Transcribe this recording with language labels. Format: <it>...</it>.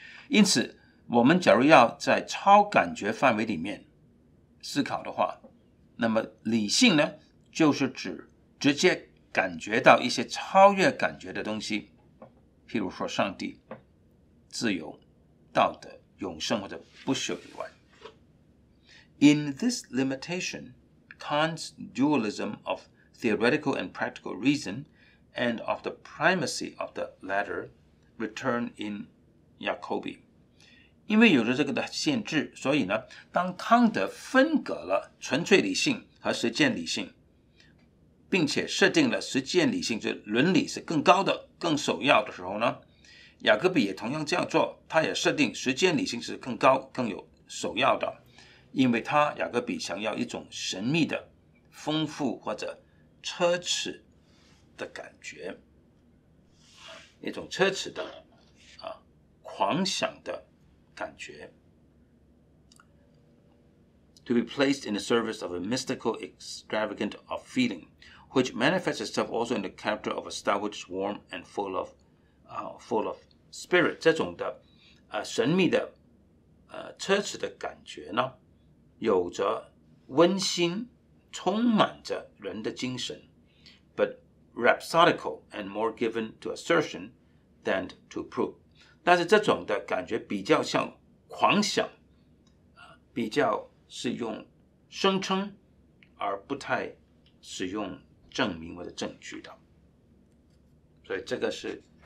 <zh>因此，我们假如要在超感觉范围里面思考的话，那么理性呢，就是指直接感觉到一些超越感觉的东西，譬如说上帝、自由、道德、永生或者不朽以外。</zh> <en>In this limitation,Kant's dualism of theoretical and practical reason and of the primacy of the latter return in Jacobi.</en> <zh>因为有了这个的限制，所以呢，当康德分隔了纯粹理性和实践理性，并且设定了实践理性，就是伦理是更高的、更首要的时候呢，雅各比也同样这样做，他也设定实践理性是更高、更有首要的。因为他雅各比想要一种神秘的、丰富或者奢侈的感觉，一种奢侈的狂想的感觉。</zh> <en>To be placed in the service of a mystical extravagant of feeling, which manifests itself also in the character of a style which is warm and full of spirit.</en> <zh>这种的神秘的奢侈的感觉呢？有着温馨充满着人的精神</zh> <en>but rhapsodical and more given to assertion than to proof</en> <zh>但是这种的感觉比较像狂想比较是用声称而不太使用证明或者证据的所以这个是</zh>